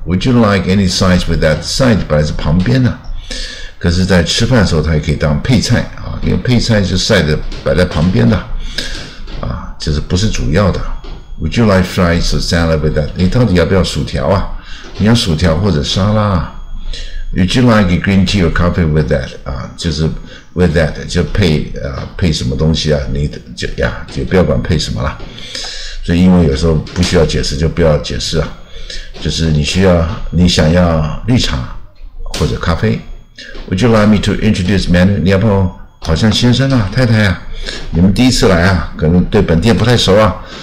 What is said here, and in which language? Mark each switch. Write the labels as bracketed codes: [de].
[en] Would you like any size with that side？ [zh] 本来是旁边的，可是在吃饭的时候它也可以当配菜啊，因为配菜是 side 摆在旁边的啊，就是不是主要的。 [en] Would you like fries or salad with that？ [zh] 你到底要不要薯条啊？你要薯条或者沙拉。 [en] Would you like a green tea or coffee with that？ [zh] 啊，就是 [en] with that [zh] 就配啊配什么东西啊？你就呀就不要管配什么了。所以英文有时候不需要解释就不要解释啊，就是你需要你想要绿茶或者咖啡。 [en] Would you like me to introduce menu？ [zh] 你要不要好像先生啊太太啊，你们第一次来啊，可能对本店不太熟啊。